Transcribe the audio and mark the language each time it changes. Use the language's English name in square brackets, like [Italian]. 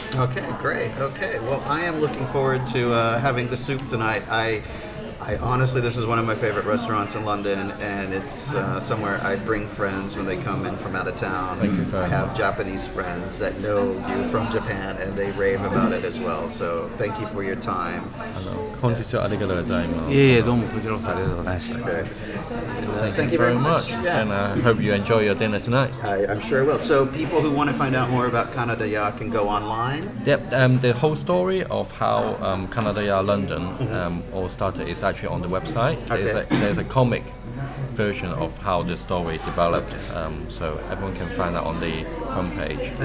[English] Okay, great. Okay, well, I am looking forward to having the soup tonight. I honestly, this is one of my favorite restaurants in London, and it's somewhere I bring friends when they come in from out of town. Thank you very I have Japanese friends that know you from Japan, and they rave about it as well. So thank you for your time. Hello. [Japanese] 本日はありがとうございます。いやいや、どうもこちらこそありがとうございました。 [English] Okay. Thank you very much. Yeah. And I hope you enjoy your dinner tonight. I'm sure I will. So people who want to find out more about Canada Ya can go online. Yep. The whole story of how Canada Ya London all started is actually on the website. Okay. There's a comic version of how the story developed, so everyone can find that on the homepage.